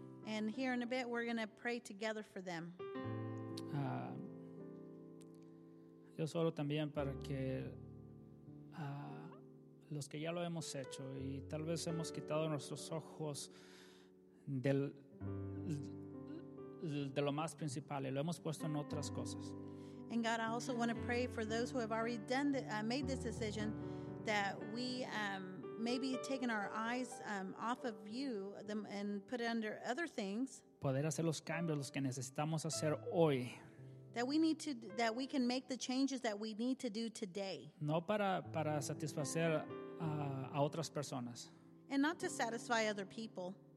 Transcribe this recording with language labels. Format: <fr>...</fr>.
<en>And here in a bit we're going to pray together for them.</en> <es>Yo solo también para que los que ya lo hemos hecho y tal vez hemos quitado nuestros ojos de lo más principal y lo hemos puesto en otras cosas.</es> <en>And God, I also want to pray for those who have already done made this decision, that we maybe taken our eyes off of you and put it under other things.</en> <es>Poder hacer los cambios los que necesitamos hacer hoy.</es> <en>That we can make the changes that we need to do today.</en> <es>No para satisfacer a otras personas.</es> <en>And not to satisfy other people.</en>